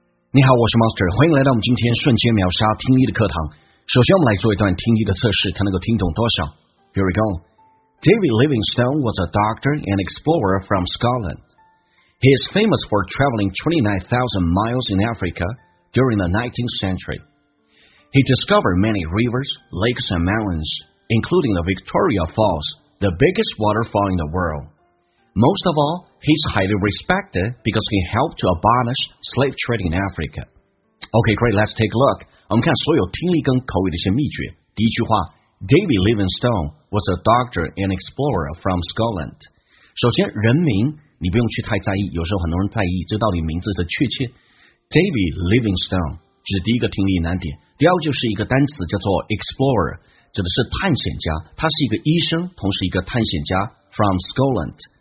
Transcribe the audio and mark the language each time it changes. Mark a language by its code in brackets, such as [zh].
[zh] 你好，我是 Monster， 欢迎来到我们今天瞬间秒杀听力的课堂。首先我们来做一段听力的测试，看能够听懂多少。 [en] Here we go. David Livingstone was a doctor and explorer from Scotland. He is famous for traveling 29,000 miles in Africa during the 19th century. He discovered many rivers, lakes and mountains, including the Victoria Falls, the biggest waterfall in the worldMost of all, he's highly respected because he helped to abolish slave trade in Africa. Okay, great, let's take a look. [zh] 我们看所有听力跟口语的一些秘诀。第一句话， [en] David Livingstone was a doctor and explorer from Scotland. [zh] 首先，人名你不用去太在意，有时候很多人在意这到底名字的确切。 David Livingstone 指第一个听力难点，第二就是一个单词叫做 explorer， 指的是探险家，他是一个医生，同时一个探险家 [en] from Scotland。